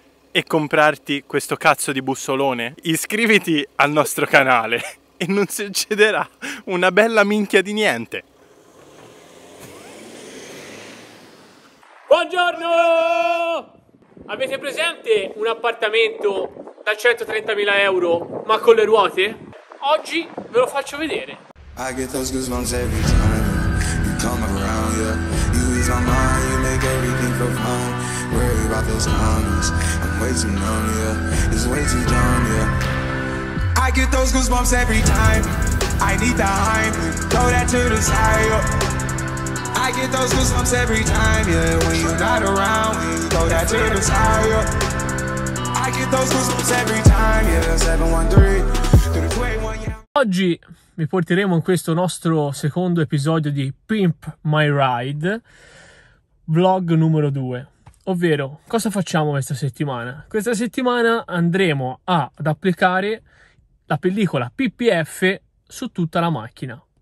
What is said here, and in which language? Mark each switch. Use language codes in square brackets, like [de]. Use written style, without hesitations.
[it] E comprarti questo cazzo di bussolone? Iscriviti al nostro canale e non succederà una bella minchia di niente. Buongiorno! Avete presente un appartamento da 130.000 euro ma con le ruote? Oggi ve lo faccio vedere. [en] I get those goosebumps every time you come around, yeah. My mind, you make everything feel fine. Worry about those comments. I'm way too numb, yeah. It's way too dumb, yeah. I get those goosebumps every time. I need the hype. Throw that to the side, yeah. I get those goosebumps every time, yeah. When you're not around, when you throw that to the side, yeah. I get those goosebumps every time, yeah. 713 through the 21, yeah. [it] Oggi vi porteremo in questo nostro secondo episodio di Pimp My Ride, vlog numero 2. Ovvero, cosa facciamo questa settimana? Questa settimana andremo ad applicare la pellicola PPF su tutta la macchina.